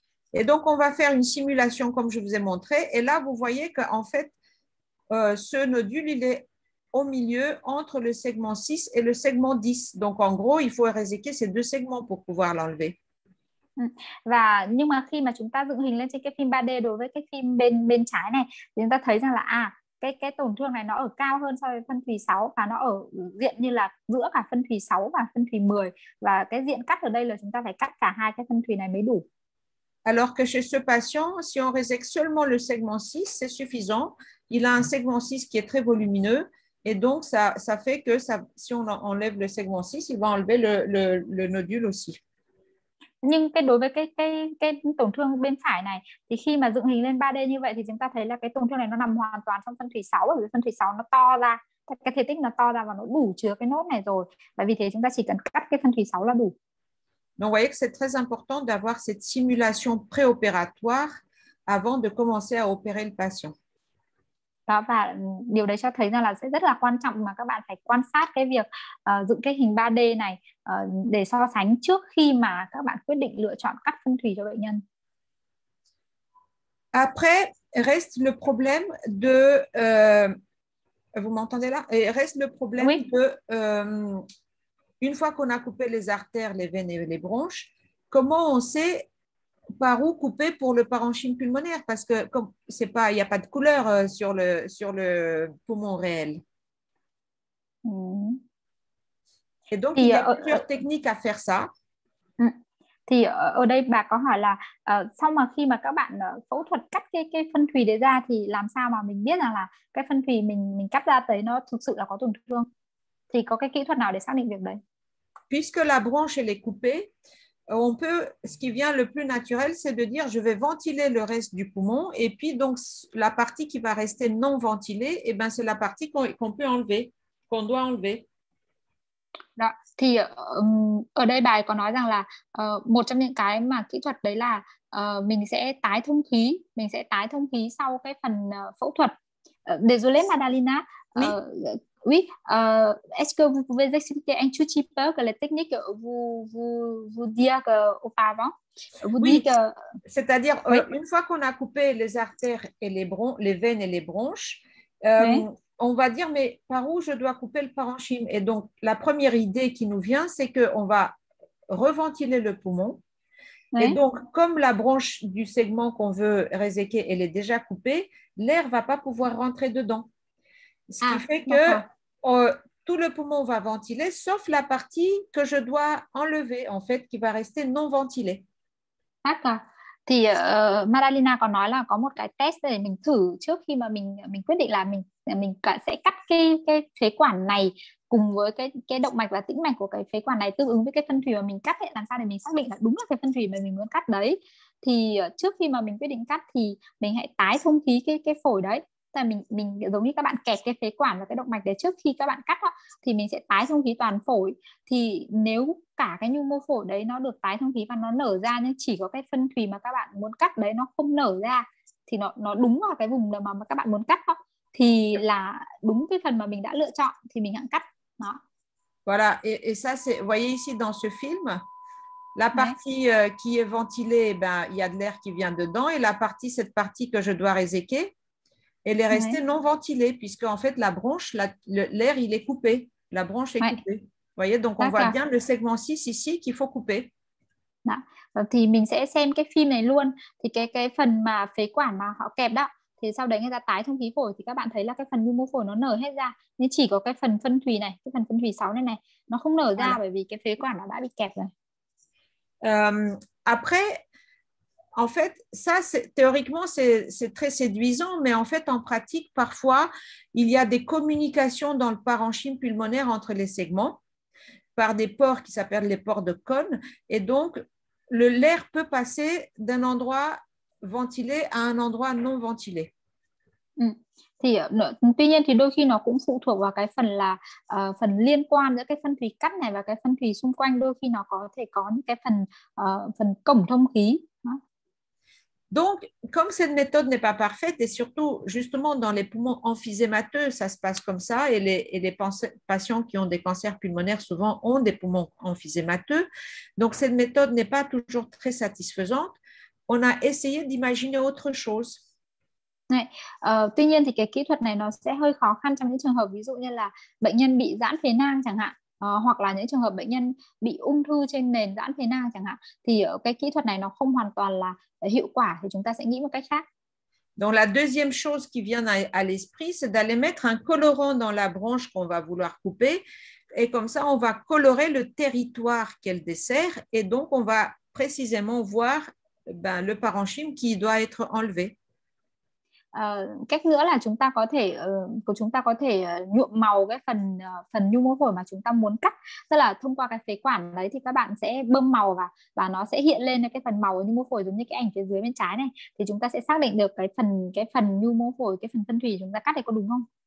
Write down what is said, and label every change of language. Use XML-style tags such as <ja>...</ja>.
<fr>Et donc, on va faire une simulation comme je vous ai montré. Et là, vous voyez qu'en fait, ce nodule, il est au milieu entre le segment 6 et le segment 10. Donc, en gros, il faut éradiquer ces deux segments pour pouvoir l'enlever.</fr> <vi>Và nhưng mà khi mà chúng ta dựng hình lên trên cái phim 3D đối với cái phim bên bên trái này thì chúng ta thấy rằng là cái tổn thương này nó ở cao hơn so với phân thùy 6 và nó ở diện như là giữa cả phân thùy 6 và phân thùy 10, và cái diện cắt ở đây là chúng ta phải cắt cả hai cái phân thùy này mới đủ.</vi> <fr>Alors que chez ce patient, si on résecte seulement le segment 6, c'est suffisant. Il a un segment 6 qui est très volumineux. Et donc, ça fait que ça, si on enlève le segment 6, il va enlever le nodule aussi. Nhưng cái đối với cái tổn thương bên phải này thì khi mà dựng hình lên 3D như vậy thì chúng ta thấy là cái tổn thương này nó nằm hoàn toàn trong phân thủy 6, bởi vì phân thủy 6 nó to ra, cái thể tích nó to ra và nó đủ chứa cái nốt này rồi. Và vì thế chúng ta chỉ cần cắt cái phân thủy 6 là đủ. Donc, vous voyez que c'est très important d'avoir cette simulation préopératoire avant de commencer à opérer le patient.</fr> <vi>Đó, và điều đấy cho thấy rằng là sẽ rất là quan trọng mà các bạn phải quan sát cái việc dựng cái hình 3D này để so sánh trước khi mà các bạn quyết định lựa chọn cắt phân thủy cho bệnh nhân.</vi> <fr>Après, reste le problème de. Vous m'entendez là? Et reste le problème Oui. de. Une fois qu'on a coupé les artères, les veines et les bronches, comment on sait par où couper pour le parenchyme pulmonaire? Parce que comme c'est pas, il n'y a pas de couleur sur le poumon réel. Et donc, il</fr> <vi>Thì</vi> <fr>y a plusieurs techniques à faire ça.</fr> <vi>ở đây bà có hỏi là sau mà khi mà các bạn phẫu thuật cắt cái phân thùy đấy ra thì làm sao mà mình biết rằng là cái phân thùy mình cắt ra tới nó thực sự là có tổn thương, thì có cái kỹ thuật nào để xác định việc đấy?</vi> <fr>Puisque la branche elle est coupée, on peut, ce qui vient le plus naturel, c'est de dire je vais ventiler le reste du poumon et puis donc la partie qui va rester non ventilée, eh ben, c'est la partie qu'on peut enlever, qu'on doit enlever.</fr> <vi>Đó. Thì ở đây bài có nói rằng là một trong những cái mà kỹ thuật đấy là mình sẽ tái thông khí, mình sẽ tái thông khí sau cái phần phẫu thuật.</vi> <fr>Désolée Madalina, Oui. est-ce que vous pouvez expliquer un petit peu que la technique vous dire auparavant, vous Oui, dites que c'est-à-dire oui. une fois qu'on a coupé les artères et les veines et les bronches, Oui. on va dire mais par où je dois couper le parenchyme? Et donc la première idée qui nous vient, c'est qu'on va reventiler le poumon. Et Oui. donc comme la branche du segment qu'on veut réséquer, elle est déjà coupée, l'air ne va pas pouvoir rentrer dedans. Ce qui Ah, fait d'accord. que tout le poumon va ventiler, sauf la partie que je dois enlever, en fait, qui va rester non ventilée. D'accord.</fr> <vi>Thì Madalina còn nói là có một cái test để mình thử trước khi mà mình quyết định là mình sẽ cắt cái phế quản này cùng với cái động mạch và tĩnh mạch của cái phế quản này tương ứng với cái phân thủy mà mình cắt ấy, làm sao để mình xác định là đúng là cái phân thủy mà mình muốn cắt đấy. Thì trước khi mà mình quyết định cắt thì mình hãy tái thông khí cái phổi đấy, tức là mình giống như các bạn kẹt cái phế quản và cái động mạch đấy trước khi các bạn cắt đó, thì mình sẽ tái thông khí toàn phổi. Thì nếu cả cái nhu mô phổi đấy nó được tái thông khí và nó nở ra nhưng chỉ có cái phân thủy mà các bạn muốn cắt đấy nó không nở ra, thì nó đúng vào cái vùng mà các bạn muốn cắt đó, thì là đúng cái phần mà mình đã lựa chọn thì mình hãy cắt.</vi> <fr>Voilà, et ça, c'est, vous voyez ici dans ce film, la</fr> <vi>Đó.</vi> <fr>partie qui est ventilée, ben, il y a de l'air qui vient dedans, et la partie, cette partie que je dois réséquer, elle est restée Ouais. non ventilée, puisque en fait, la branche, l'air, il est coupé. La branche est Ouais. coupée. Vous voyez, donc on Ouais. voit bien le segment 6 ici qu'il faut couper.</fr> <vi>Đó. Thì mình sẽ xem cái phim này luôn. Thì cái phần mà phế quản mà họ kẹp đó, thì sau đấy người ta tái thông khí phổi thì các bạn thấy là cái phần nhu mô phổi nó nở hết ra, nhưng chỉ có cái phần phân thùy này, cái phần phân thùy 6 này này nó không nở ra</vi> <fr>Voilà.</fr> <vi>bởi vì cái phế quản nó đã bị kẹp rồi.</vi> <fr>Après, en fait, ça, c'est théoriquement, c'est très séduisant, mais en fait, en pratique, parfois, il y a des communications dans le parenchyme pulmonaire entre les segments par des pores qui s'appellent les pores de Kohn, et donc, l'air peut passer d'un endroit ventilé à un endroit non ventilé.</fr> <vi>Thì tuy nhiên thì đôi khi nó cũng phụ thuộc vào cái phần là phần liên quan giữa cái phân thủy cắt này và cái phân thủy xung quanh, đôi khi nó có thể có những cái phần phần cổng thông khí.</vi> <fr>Donc, comme cette méthode n'est pas parfaite, et surtout justement dans les poumons emphysémateux, ça se passe comme ça, et les patients qui ont des cancers pulmonaires souvent ont des poumons emphysémateux. Donc, cette méthode n'est pas toujours très satisfaisante. On a essayé d'imaginer autre chose.</fr> <vi>Này, tuy nhiên thì cái kỹ thuật này nó sẽ hơi khó khăn trong những trường hợp ví dụ như là bệnh nhân bị giãn phế nang chẳng hạn, hoặc là những trường hợp bệnh nhân bị ung thư trên nền giãn phế nang chẳng hạn, thì cái kỹ thuật này nó không hoàn toàn là hiệu quả, thì chúng ta sẽ nghĩ một cách khác.</vi> <fr>Donc, la deuxième chose qui vient à l'esprit, c'est d'aller mettre un colorant dans la branche qu'on va vouloir couper. Et comme ça, on va colorer le territoire qu'elle dessert. Et donc, on va précisément voir le parenchyme qui doit être enlevé.</fr> <vi>Cách nữa là chúng ta có thể nhuộm màu cái phần phần nhu mô phổi mà chúng ta muốn cắt, tức là thông qua cái phế quản đấy thì các bạn sẽ bơm màu vào và nó sẽ hiện lên cái phần màu ở nhu mô phổi giống như cái ảnh phía dưới bên trái này, thì chúng ta sẽ xác định được cái phần nhu mô phổi, cái phần phân thủy chúng ta cắt này có đúng không.</vi>